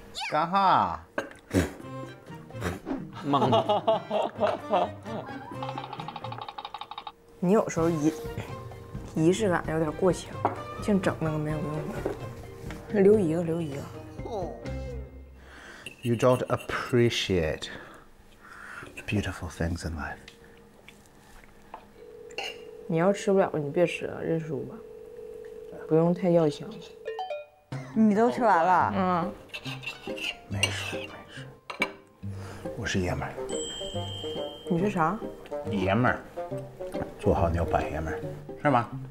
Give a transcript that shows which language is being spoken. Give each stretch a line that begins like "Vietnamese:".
Chinese: 干哈？猛的，你有时候仪式感有点过强，净整那个没有用的，留一个留一个。
English: You don't appreciate the beautiful things in life。
Chinese: 你要吃不了，你别吃了，认输吧，不用太要强。你都吃完了？嗯。没事。我是爷们儿。你是啥？爷们儿，做好牛排，爷们儿，是吗？